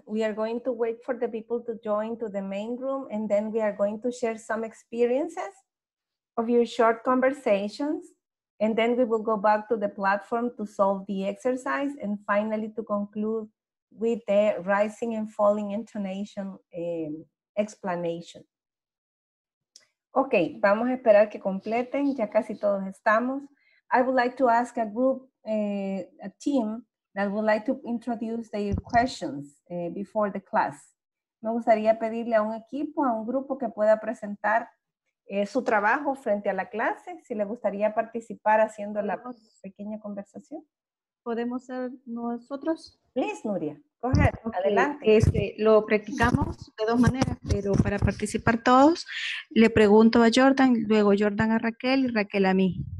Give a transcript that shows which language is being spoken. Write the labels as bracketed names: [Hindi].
[English] We are going to wait for the people to join to the main room, and then we are going to share some experiences of your short conversations. And then we will go back to the platform to solve the exercise and finally to conclude with the rising and falling intonation explanation. [Spanish] Okay, vamos a esperar que completen, ya casi todos estamos. [English] I would like to ask a group, a team, that would like to introduce their questions before the class. [Spanish] Me gustaría pedirle a un equipo, a un grupo que pueda presentar su trabajo frente a la clase, si le gustaría participar haciendo la pequeña conversación. ¿Podemos ser nosotros? [English] Please, Nuria. Go ahead. Okay. [Spanish] Adelante. Lo practicamos de dos maneras, pero para participar todos, le pregunto a Jordan, luego Jordan a Raquel y Raquel a mí.